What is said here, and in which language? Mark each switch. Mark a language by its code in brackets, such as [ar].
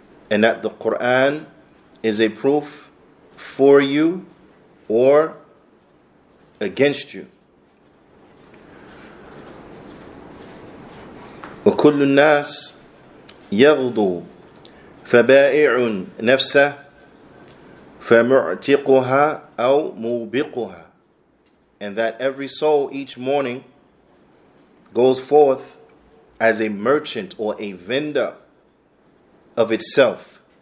[en] And that the Quran is a proof for you or against you. [ar] وكل الناس يغضو فبائع نفسه فمعتقها أو موبقها. [en] And that every soul each morning goes forth as a merchant or a vendor of itself.